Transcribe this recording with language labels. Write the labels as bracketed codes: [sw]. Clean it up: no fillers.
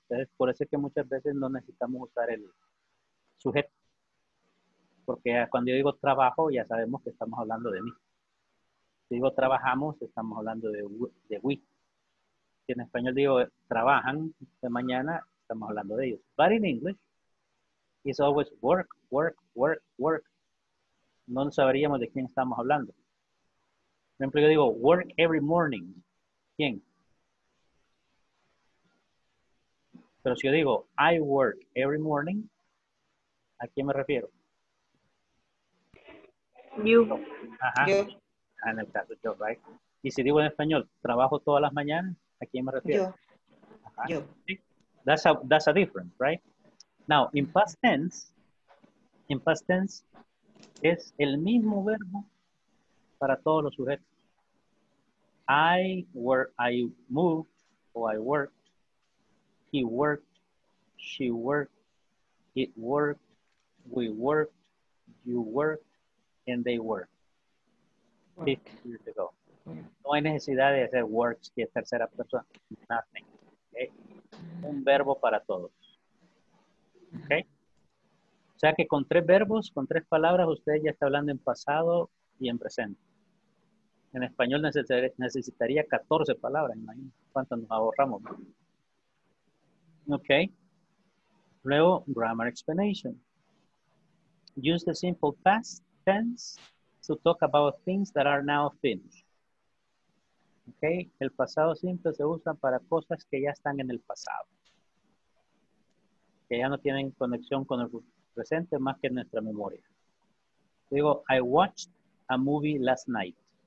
[es] Entonces, por eso es que muchas veces no necesitamos usar el sujeto. Porque cuando yo digo trabajo, ya sabemos que estamos hablando de mí. Si digo trabajamos, estamos hablando de we. Si en español digo trabajan de mañana, estamos hablando de ellos. [en] But in English, it's always work, work, work, work. [es] No sabríamos de quién estamos hablando. Por ejemplo, yo digo [en] work every morning. [es] ¿Quién? Pero si yo digo [en] I work every morning, [es] ¿a quién me refiero? [en] You. [es] Ajá. You. En el caso yo, right? Y si digo en español, trabajo todas las mañanas, ¿a quién me refiero? Yo. Ajá. Yo. ¿Sí? [en] That's a difference, right? Now, in past tense [es] es el mismo verbo para todos los sujetos. [en] I work, I moved, or I worked, he worked, she worked, it worked, we worked, you worked, and they worked. 50 years ago. [es] No hay necesidad de hacer works que es tercera persona. [en] Nothing. Okay? [es] Un verbo para todos. Okay? O sea que con 3 verbos, con 3 palabras, usted ya está hablando en pasado y en presente. En español necesitaría 14 palabras, imagínate cuántas nos ahorramos. [en] Ok. Luego, grammar explanation. Use the simple past tense to talk about things that are now finished. Ok. [es] El pasado simple se usa para cosas que ya están en el pasado. Que ya no tienen conexión con el presente más que nuestra memoria. Digo, [en] I watched a movie last night.